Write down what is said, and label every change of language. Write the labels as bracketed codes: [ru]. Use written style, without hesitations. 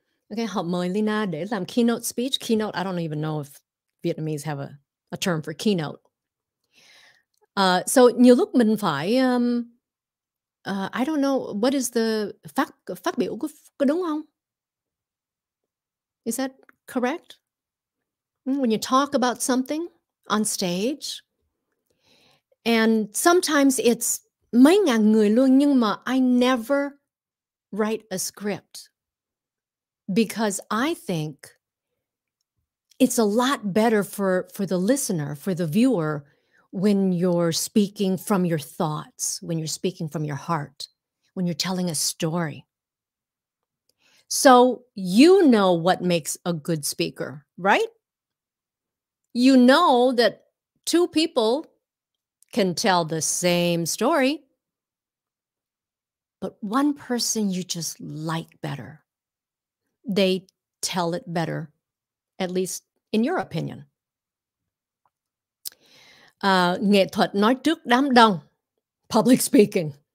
[vi] Okay, họ mời Leyna để làm keynote speech. [en] Keynote, I don't even know if Vietnamese have a term for keynote. [vi] So nhiều lúc mình phải, [en] I don't know, what is the [vi] phát biểu có đúng không? [en] Is that correct? When you talk about something on stage, and sometimes it's [vi] mấy ngàn người luôn, nhưng mà [en] I never write a script because I think it's a lot better for the listener, for the viewer, when you're speaking from your thoughts, when you're speaking from your heart, when you're telling a story. So you know what makes a good speaker, right? You know that two people can tell the same story, but one person you just like better. They tell it better, at least in your opinion. [vi] Nghệ thuật nói trước đám đông, [en] public speaking.